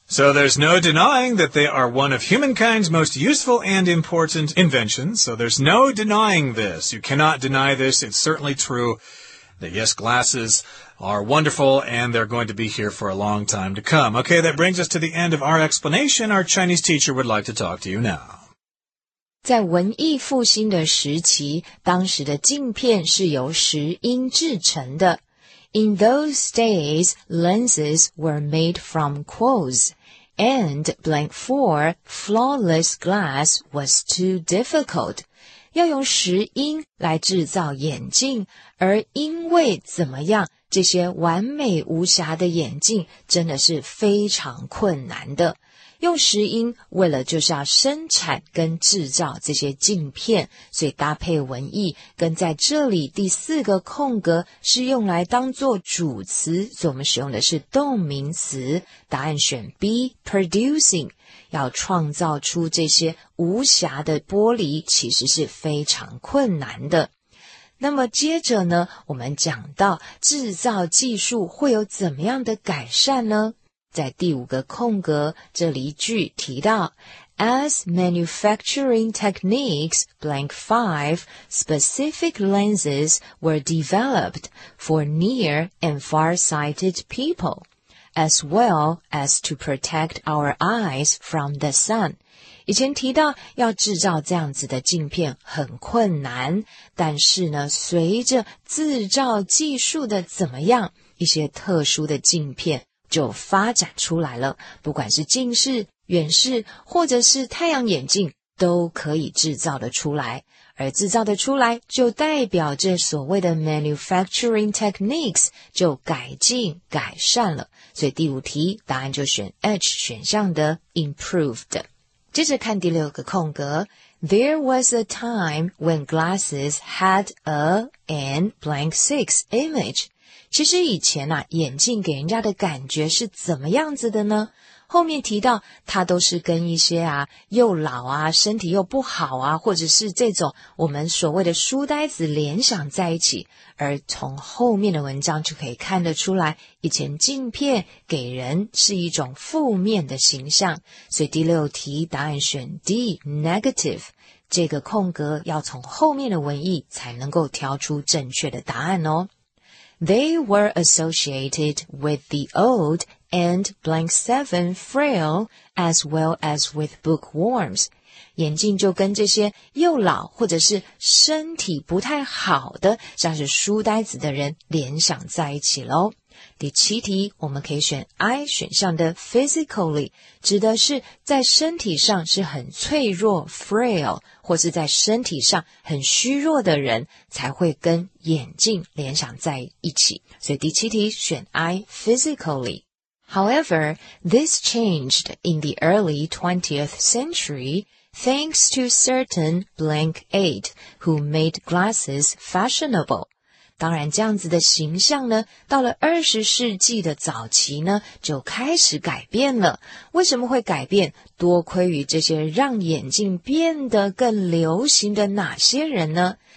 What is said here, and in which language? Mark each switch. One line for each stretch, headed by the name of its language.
English: So there's no denying that they are one of humankind's most useful and important inventions. So there's no denying this. You cannot deny this. It's certainly true that, yes, glasses are wonderful, and they're going to be here for a long time to come. Okay, that brings us to the end of our explanation. Our Chinese teacher would like to talk to you now.
Chinese: 在文艺复兴的时期，当时的镜片是由石英制成的。
English: In those days, lenses were made from quartz, and blank for flawless glass was too difficult.
Chinese: 要用石英来制造眼镜，而因为怎么样，这些完美无瑕的眼镜真的是非常困难的。用石英为了就是要生产跟制造这些镜片，所以搭配文意跟在这里第四个空格是用来当作主词，所以我们使用的是动名词。答案选 B, producing, 要创造出这些无瑕的玻璃其实是非常困难的。那么接着呢，我们讲到制造技术会有怎么样的改善呢？在第五个空格，这里一句提到
English: As manufacturing techniques, blank five, specific lenses were developed for near and far-sighted people, as well as to protect our eyes from the sun.
Chinese: 以前提到要制造这样子的镜片很困难，但是呢，随着制造技术的怎么样，一些特殊的镜片就发展出来了，不管是近视、远视或者是太阳眼镜都可以制造的出来，而制造的出来就代表着所谓的
English: manufacturing techniques
Chinese: 就改进改善了，所以第五题答案就选 H 选项的 improved。接着看第六个空格， There was a time when glasses had a and blank six image。其实以前啊，眼镜给人家的感觉是怎么样子的呢？后面提到它都是跟一些啊又老啊身体又不好啊或者是这种我们所谓的书呆子联想在一起，而从后面的文章就可以看得出来，以前镜片给人是一种负面的形象，所以第六题答案选 D, negative, 这个空格要从后面的文意才能够挑出正确的答案哦。
English: They were associated with the old and blank seven frail as well as with bookworms.
Chinese: 眼镜就跟这些又老或者是身体不太好的像是书呆子的人联想在一起咯。第七题我们可以选 I 选项的 physically, 指的是在身体上是很脆弱 frail, 或是在身体上很虚弱的人才会跟眼镜联想在一起。所以第七题选 I physically。
English: However, this changed in the early 20th century, thanks to certain blank eight who made glasses fashionable.
Chinese: 当然这样子的形象呢，到了20世纪的早期呢，就开始改变了。为什么会改变？多亏于这些让眼镜变得更流行的哪些人呢？